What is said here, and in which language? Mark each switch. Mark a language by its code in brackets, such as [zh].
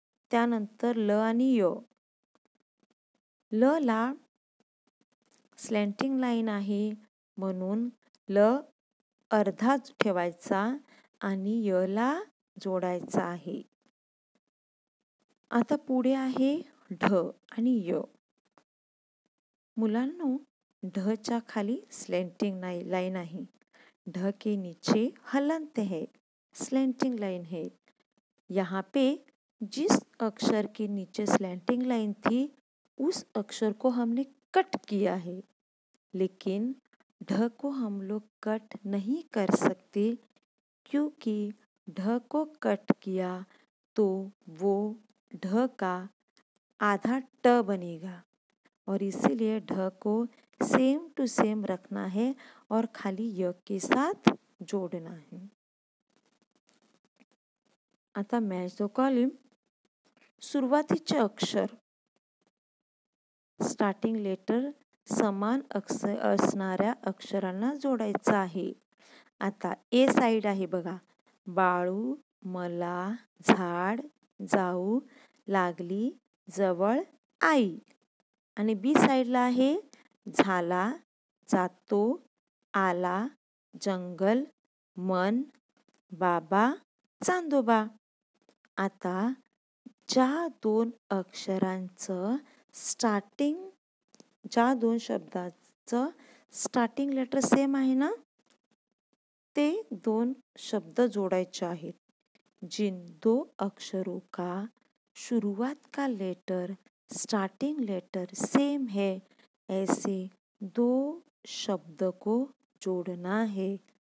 [mr] त्यानंतर ल आणि य, ल ला स्लँटिंग लाईन आहे म्हणून ल अर्धा ठेवायचा आणि य ला जोडायचा आहे। आता पुढे आहे ढ आणि य। मुलांनो, ढ च्या खाली स्लँटिंग लाईन आहे, [hi] ढ के नीचे हलंत है, स्लँटिंग लाईन है। यहाँ पे जिस अक्षर के नीचे स्लँटिंग लाईन थी उस अक्षर को हमने कट किया है, लेकिन ढ को हम लोग कट नहीं कर सकते क्योंकि ढ को कट किया तो वो ढ का आधा ट बनेगा, और इसीलिए ढ को सेम टू सेम रखना है और खाली य के साथ जोड़ना है। [mr] आता मैं जो कॉलम सुरुवाती च अक्षर स्टार्टिंग लेटर समान अक्षर असणाऱ्या अक्षरांना जोडायचं आहे। आता ए साइड आहे बघा, बाळू, मला, झाड, जाऊ, लागली, जवळ, आई। आणि बी साइडला आहे झाला, जातो, आला, जंगल, मन, बाबा, चांदोबा। आता ज्या दोन अक्षरांचं स्टार्टिंग, ज्या दोन शब्दाचं स्टार्टिंग लेटर सेम आहे ना, ते दोन शब्द जोडायचे आहेत। [hi] जिन दो अक्षरों का शुरुआत का लेटर स्टार्टिंग लेटर सेम है, ऐसे दो शब्द को जोड़ना है।